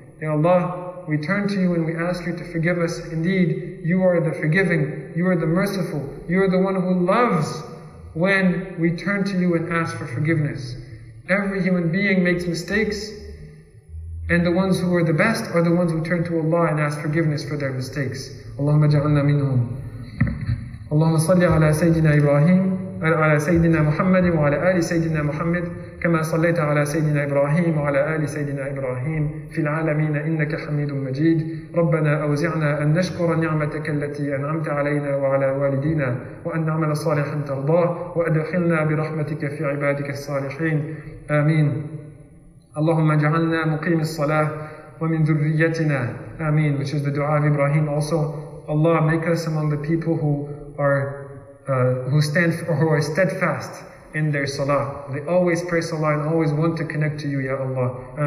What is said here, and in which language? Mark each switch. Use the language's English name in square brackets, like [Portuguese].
[English] Ya Allah, we turn to You and we ask You to forgive us. Indeed, You are the forgiving, You are the merciful, You are the one who loves when we turn to You and ask for forgiveness. Every human being makes mistakes, and the ones who are the best are the ones who turn to Allah and ask forgiveness for their mistakes. [Arabic] اللهم اجعلنا منهم. اللهم صل على سيدنا إبراهيم وعلى سيدنا محمد وعلى آل سيدنا محمد كما صليت على سيدنا إبراهيم وعلى آل سيدنا إبراهيم في العالمين إنك حميد مجيد. ربنا أوزعنا أن نشكر نعمتك التي أنعمت علينا وعلى والدينا وأن نعمل صالحا ترضاه وأدخلنا برحمتك في عبادك الصالحين. آمين. اللهم اجعلنا مقيم الصلاة ومن ذريتنا. [English] آمين. Which is the dua of Ibrahim also. Allah, make us among the people who are steadfast in their salah. They always pray salah and always want to connect to You, Ya Allah.